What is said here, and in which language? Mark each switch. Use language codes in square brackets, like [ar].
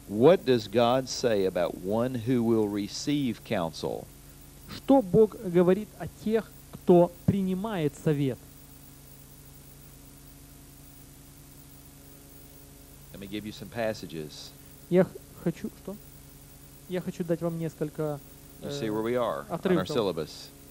[en] What does God say about one who will receive counsel? [ru] Что Бог говорит о тех, кто принимает совет? [en] Let me give you some passages. [ru] Я хочу дать вам несколько [en] You see where we are on our syllabus.